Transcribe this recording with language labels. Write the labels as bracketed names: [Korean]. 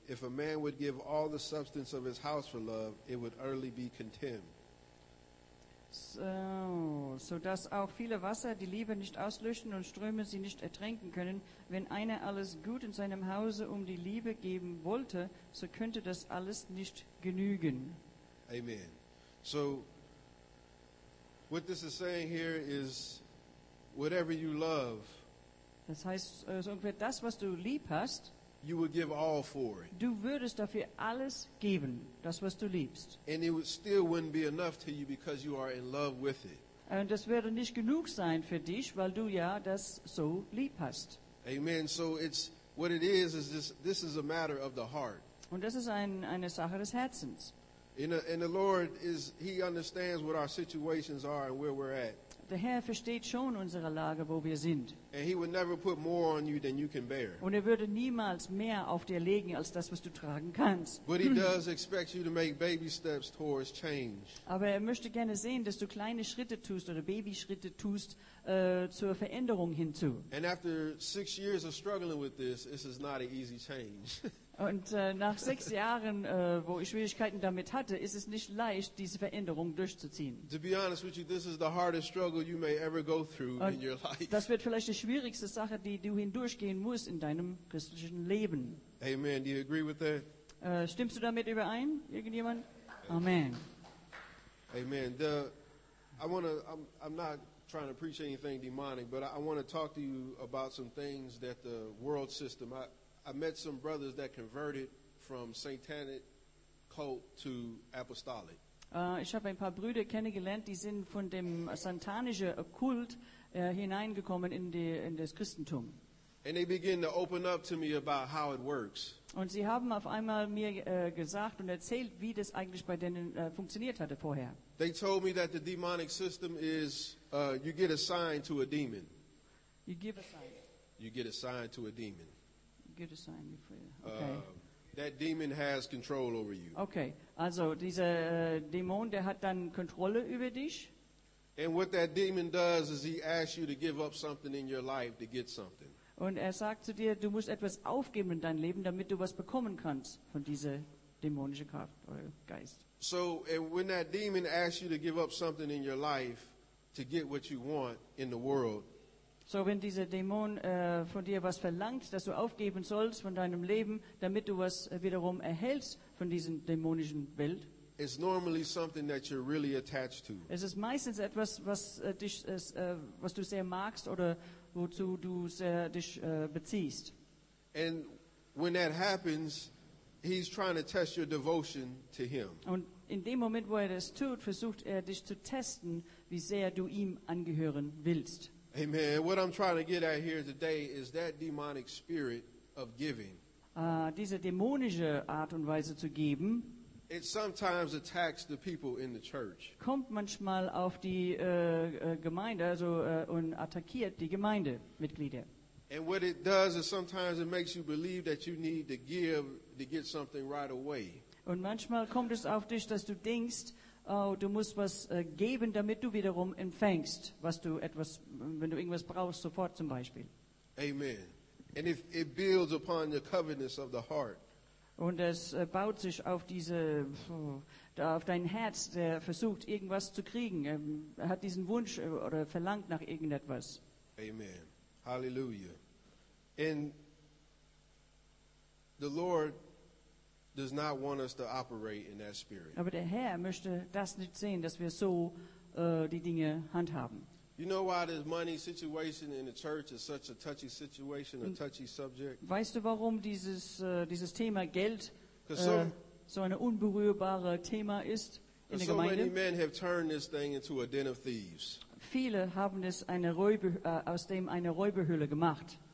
[English] If a man would give all the substance of his house for love, it would utterly be contemned. [German] So dass auch viele Wasser die Liebe nicht auslöschen und Ströme sie nicht ertränken können. Wenn einer alles Gut in seinem Hause um die Liebe geben wollte, so könnte das alles nicht genügen. Amen. [English] So, what this is saying here is, whatever you love, [German] das heißt, so ungefähr das, was du lieb hast, [English] you would give all for it. [German] Du würdest dafür alles geben, das, was du liebst. [English] And it still wouldn't be enough to you because you are in love with it. [German] Und das würde nicht genug sein für dich, weil du ja das so lieb hast. Amen. [English] So it's what it is this is a matter of the heart. [German] Und das ist eine Sache des Herzens. [English] And the Lord is he understands what our situations are and where we're at. [German] Der Herr versteht schon unsere Lage, wo wir sind. [English] And he would never put more on you than you can bear. [German] Und würde niemals mehr auf dir legen als das, was du tragen kannst. [English] But he does expect you to make baby steps towards change. [German] Aber möchte gerne sehen, dass du kleine Schritte tust oder Babyschritte tust zur Veränderung hinzu. [English] And after 6 years of struggling with this is not an easy change. [German] Und nach 6 Jahren, wo ich Schwierigkeiten damit hatte, ist es nicht leicht, diese Veränderung durchzuziehen. [English] To be honest with you, this is the hardest struggle you may ever go through in your life. [German] Das wird vielleicht die schwierigste Sache, die du hindurchgehen musst in deinem christlichen Leben. [English] Amen. Do you agree with that? [German] Stimmst du damit überein, irgendjemand? Amen. Amen. [English] I'm not trying to preach anything demonic, but I want to talk to you about some things that the world system. I met some brothers that converted from satanic cult to apostolic. [German] Ich habe ein paar Brüder kennengelernt, die sind von dem satanischen Kult hineingekommen in das Christentum. [English] And they begin to open up to me about how it works. [German] Und sie haben auf einmal mir gesagt und erzählt, wie das eigentlich bei denen funktioniert hatte vorher. [English] They told me that the demonic system is you get assigned to a demon. You give a sign. You get assigned to a demon. Get assigned for you. Okay. That demon has control over you. [German] Okay, also dieser Dämon, der hat dann Kontrolle über dich. [English] And what that demon does is he asks you to give up something in your life to get something. [German] Und sagt zu dir, du musst etwas aufgeben in dein Leben, damit du was bekommen kannst von dieser dämonischen Kraft oder Geist. [English] So, and when that demon asks you to give up something in your life to get what you want in the world. [German] So wenn dieser Dämon von dir was verlangt, dass du aufgeben sollst von deinem Leben, damit du was wiederum erhältst von dieser dämonischen Welt, [English] it's normally something that you're really attached to. [German] Es ist meistens etwas, was, dich, es, was du sehr magst oder wozu du sehr dich beziehst. [English] And when that happens, he's trying to test your devotion to him. [German] Und in dem Moment, wo das tut, versucht dich zu testen, wie sehr du ihm angehören willst. Amen. [English] What I'm trying to get at here today is that demonic spirit of giving. [German] Diese dämonische Art und Weise zu geben. [English] It sometimes attacks the people in the church. [German] Kommt manchmal auf die Gemeinde, also und attackiert die Gemeindemitglieder. [English] And what it does is sometimes it makes you believe that you need to give to get something right away. [German] Und manchmal kommt es auf dich, dass du denkst, oh, du musst was geben, damit du wiederum empfängst, was du etwas, wenn du irgendwas brauchst, sofort zum Beispiel. [English] Amen. And if it builds upon the covetousness of the heart. [German] Und es baut sich auf diese, auf dein Herz, der versucht, irgendwas zu kriegen. Er hat diesen Wunsch oder verlangt nach irgendetwas. Amen. Hallelujah. [English] And the Lord does not want us to operate in that spirit. [German] Aber der Herr möchte das nicht sehen, dass wir so die Dinge handhaben. [English] You know why this money situation in the church is such a touchy situation, a touchy subject? [German] Weißt du, warum dieses Thema Geld so eine unberührbare Thema ist in der Gemeinde? [English] So many men have turned this thing into a den of thieves. [German] Viele haben es aus dem eine Räuberhöhle gemacht.